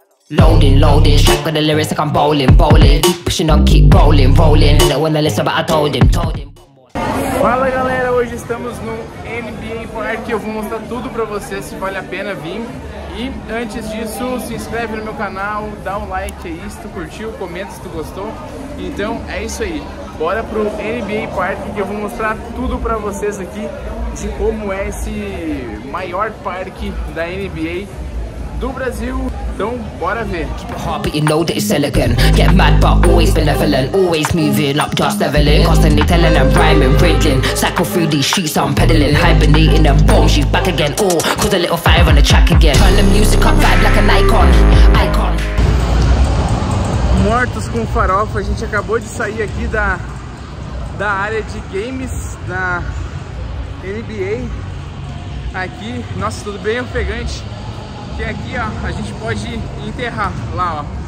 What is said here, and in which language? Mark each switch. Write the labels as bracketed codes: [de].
[en] Loading, loading, strap got the lyrics like I'm bowling, bowling. Pushing on, keep rolling, rolling. Don't wanna listen, but I told him, told him. [pt] Fala galera, hoje estamos no NBA Park. Eu vou mostrar tudo pra vocês se vale a pena vir. E antes disso, se inscreve no meu canal, dá um like aí se tu curtiu, comenta se tu gostou. Então é isso aí, bora pro NBA Park que eu vou mostrar tudo pra vocês aqui de como é esse maior parque da NBA do Brasil. Então, bora ver. [en] Always moving up, just leveling. Constantly telling them rhyming, riddling. Cycle through these streets, I'm peddling. Hibernating them, boom, she's back again. Oh, cause a little fire on the track again. Turn the music up, vibe like an icon. Icon. [pt] Mortos com farofa, a gente acabou de sair aqui da área de games da NBA. Aqui, nossa, tudo bem ofegante. Porque aqui ó, a gente pode enterrar lá ó.